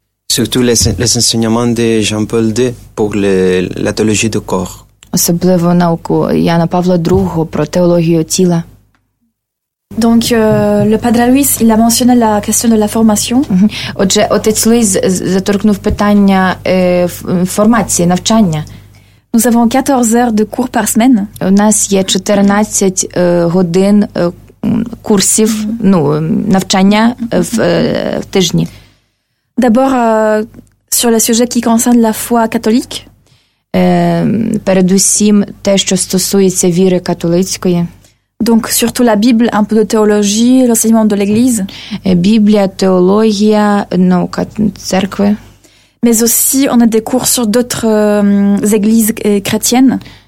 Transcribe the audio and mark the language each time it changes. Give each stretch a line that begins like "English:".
French: Surtout les enseignements de Jean-Paul II pour la théologie du corps.
Ukrainian: Особливо науку Яна Павла II про теологію тіла.
French: Donc, le Padre Luis, il a mentionné la question de la formation. Mm-hmm.
Ukrainian: Отже, отець Луїс заторкнув питання формації, навчання.
French: Nous avons 14 heures de cours par semaine.
Ukrainian: У нас є 14 годин курсів, mm-hmm. ну, навчання mm-hmm. В тижні.
French: D'abord, sur le sujet qui concerne la foi catholique.
Ukrainian: Передусім те, що стосується віри католицької.
French: Donc surtout la Bible, un peu de théologie, l'enseignement de l'Église.
Ukrainian: Biblia, théologie, наука церкви.
French: Mais aussi on a des cours sur d'autres églises chrétiennes.